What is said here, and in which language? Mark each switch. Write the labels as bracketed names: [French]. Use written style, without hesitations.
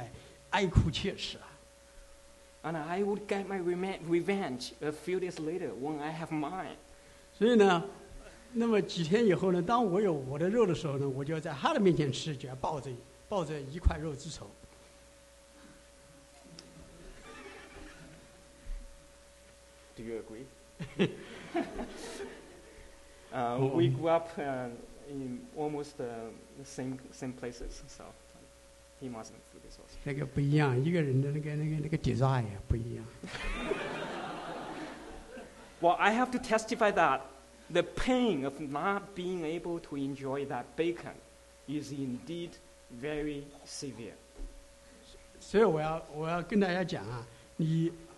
[Chinese] 所以我要跟你们讲，我看见我的朋友们，他们在吃他们的肉，吃他们的腊肉，在我的面前吃的时候，但我没有，那时候我就真的是在哀哭切齿啊。 [English] And I would get my revenge a few days later when I have mine. [Chinese] 所以呢，那么几天以后呢，当我有我的肉的时候呢，我就要在他的面前吃，就要抱着一块肉之仇。 [English] Do you agree? we grew up in almost the same places, so he mustn't do this also. [Chinese] 那个不一样，一个人的那个desire不一样。 [English] Well, I have to testify that the pain of not being able to enjoy that bacon is indeed very severe. [Chinese] 所以我要跟大家讲啊，你。